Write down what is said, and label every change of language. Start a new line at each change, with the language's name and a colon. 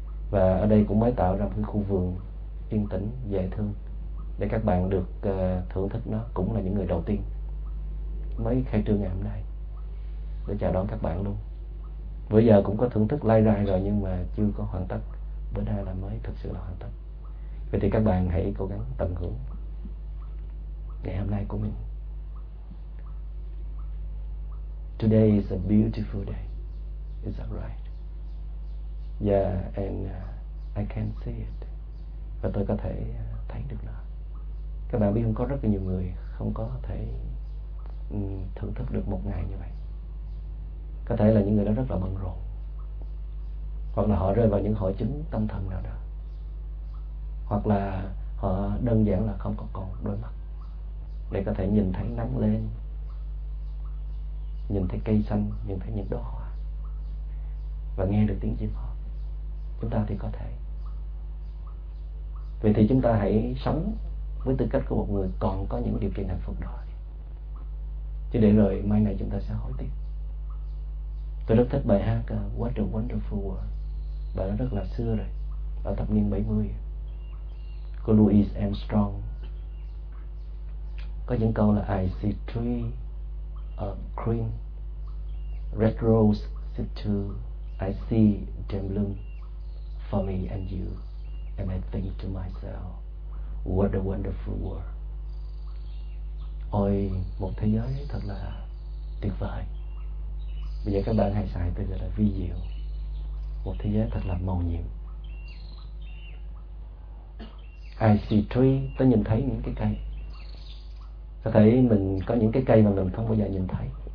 Vietnamese: Và ở đây cũng mới tạo ra một cái khu vườn yên tĩnh, dễ thương để các bạn được thưởng thức nó, cũng là những người đầu tiên mới khai trương ngày hôm nay để chào đón các bạn luôn. Bữa giờ cũng có thưởng thức lai rai rồi nhưng mà chưa có hoàn tất, bữa nay là mới thực sự là hoàn tất. Vậy thì các bạn hãy cố gắng tận hưởng ngày hôm nay của mình.
English: Today is a beautiful day. Is that right? Yeah, and I can see it.
Vietnamese: Và tôi có thể thấy được nó. Các bạn biết không, có rất là nhiều người không có thể thưởng thức được một ngày như vậy. Có thể là những người đó rất là bận rộn, hoặc là họ rơi vào những hội chứng tâm thần nào đó, hoặc là họ đơn giản là không có còn đôi mắt để có thể nhìn thấy nắng lên, nhìn thấy cây xanh, nhìn thấy những đóa hoa và nghe được tiếng chim hót. Chúng ta thì có thể. Vậy thì chúng ta hãy sống với tư cách của một người còn có những điều kiện hạnh phúc đó, chứ để rồi mai này chúng ta sẽ hối tiếc. Tôi rất thích bài hát What a Wonderful World, bài đó rất là xưa rồi, ở thập niên 70, của Louis Armstrong. Có những câu là
English: I see tree of green, red rose sit too, I see them bloom for me and you, and I think to myself, what a wonderful world.
Vietnamese: Ôi, một thế giới thật là tuyệt vời. Bây giờ các bạn hãy xài từ gọi là vi diệu. Một thế giới thật là màu nhiệm.
English: I see tree,
Vietnamese: tôi nhìn thấy những cái cây. Có thể mình có những cái cây mà mình không bao giờ nhìn thấy.